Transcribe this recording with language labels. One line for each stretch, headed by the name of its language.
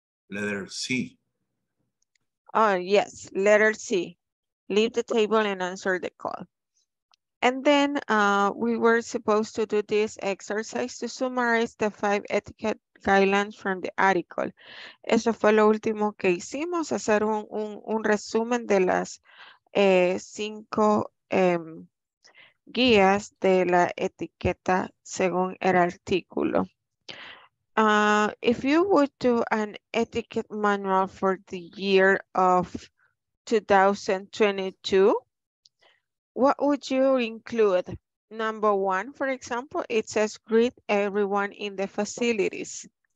English: Letter C. Oh, yes, letter C. Leave the table and answer the call. And then we were supposed to do this exercise to summarize the 5 etiquette guidelines from the article.
Spanish: Eso fue lo último que hicimos, hacer un resumen de las 5 guías de la etiqueta según el artículo.
English: If you would do an etiquette manual for the year of 2022, what would you include? Number 1, for example, it says greet everyone in the facilities.